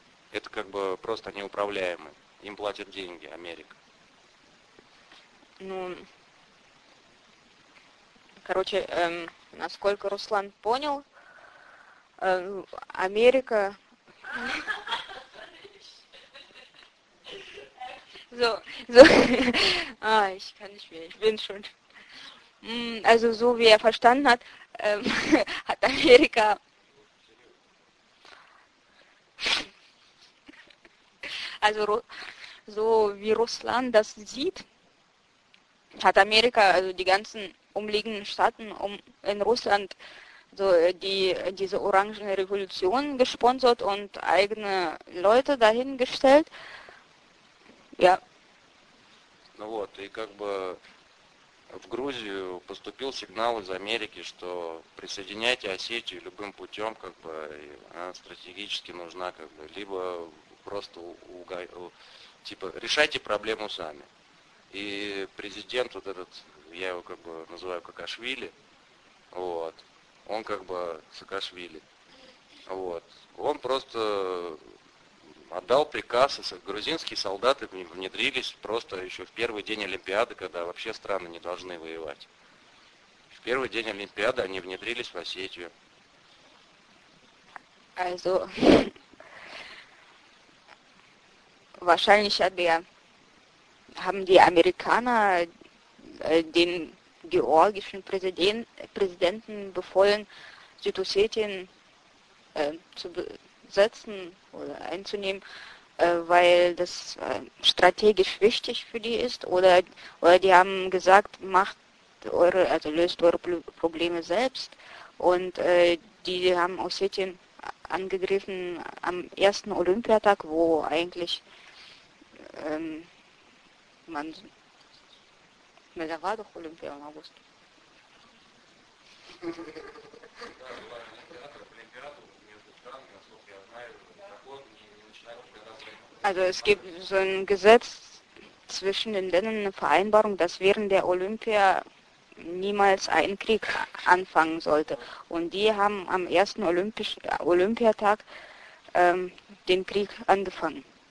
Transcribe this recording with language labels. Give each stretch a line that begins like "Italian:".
Russian: Это как бы просто неуправляемые. Им платят деньги Америка. Ну... Короче, насколько Руслан понял, Америка...
German: ich kann nicht mehr, ich bin schon... Also so wie er verstanden hat, hat Amerika... Also so wie Russland das sieht, hat Amerika also die ganzen... umliegenden Staaten in Russland so diese orangene Revolution gesponsert und eigene Leute dahingestellt. Ja.
Russian: Ну вот, и как бы в Грузию поступил сигнал из Америки, что присоединяйте Осетию любым путем, как бы она стратегически нужна, как бы, либо просто типа решайте проблему сами. И президент вот этот, я его как бы называю Каакашвили, вот, он как бы Саакашвили, вот, он просто отдал приказ, и грузинские солдаты внедрились просто еще в первый день Олимпиады, когда вообще страны не должны воевать. В первый день Олимпиады они внедрились в Осетию.
German: Also, wahrscheinlich haben die Amerikaner den georgischen Präsidenten befohlen, Südossetien zu besetzen oder einzunehmen, weil das strategisch wichtig für die ist, oder die haben gesagt, löst eure Probleme selbst, und die haben Ossetien angegriffen am ersten Olympiatag, wo eigentlich man
Russian: Да, в Аду Олимпиаду на август. Да, в Аду Олимпиаду между странами.
German: Also es gibt so ein Gesetz zwischen den Ländern, eine Vereinbarung, dass während der Olympia niemals ein Krieg anfangen sollte. Und die haben am ersten Olympiatag den Krieg angefangen.